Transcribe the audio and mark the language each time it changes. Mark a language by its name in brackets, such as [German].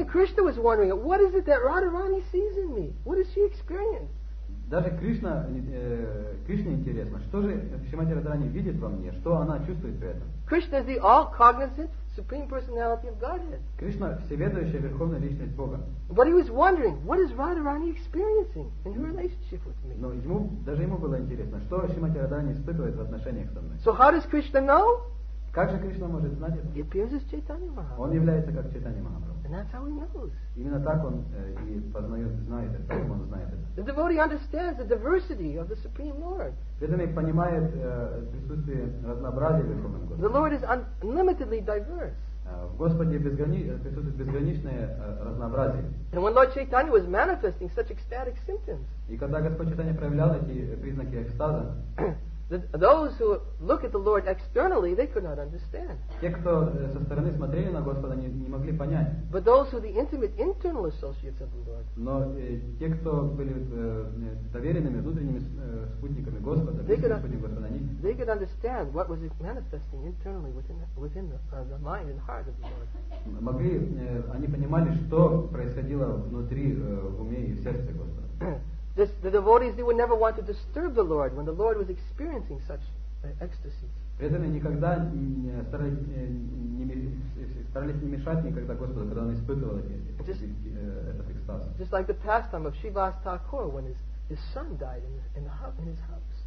[English] Even Krishna was wondering, what is it that Radharani sees in me? What does she experience? [Russian] Даже Кришна, Кришне интересно, что же Шримати Радхарани видит во мне, что она чувствует при этом? [English] Krishna is the all-cognizant supreme personality of Godhead. [Russian] Кришна всеведущая верховная личность Бога. [English] But he was wondering, what is Radharani experiencing in her relationship with me? [Russian] Но ему было интересно, что Шримати Радхарани испытывает в отношениях со мной. [English] So how does Krishna know? [Russian] Как же Кришна может знать это? [English] He appears as Chaitanya Mahaprabhu. [Russian] Он является как Чайтанья Махапрабху. [English] And that's how he knows. [Russian] Именно так он и познает, знает это, как он знает это. [English] The devotee understands the diversity of the Supreme Lord. [Russian] Преданный понимает присутствие разнообразия Верховного Господа. [English] The Lord is unlimitedly diverse. [Russian] В Господе присутствует безграничное разнообразие. [English] And when Lord Chaitanya was manifesting such ecstatic symptoms. [Russian] И когда Господь Чайтанья проявлял эти признаки экстаза. [English] Those who look at the Lord externally, they could not understand. [Russian] Те, кто со стороны смотрели на Господа, не могли понять. [English] But those who are the intimate internal associates of the Lord. [Russian] Но те, кто были доверенными внутренними спутниками Господа, [English] they could understand what was manifesting internally within the mind and heart of the Lord. [Russian] Могли они понимали, что происходило внутри в уме и сердце Господа. [English] The devotees, they would never want to disturb the Lord when the Lord was experiencing such ecstasy. [Russian] Преданные никогда старались не мешать никогда Господу, когда он испытывал этот экстаз. [English] Just like the pastime of Shivas Thakur when his son died in his house.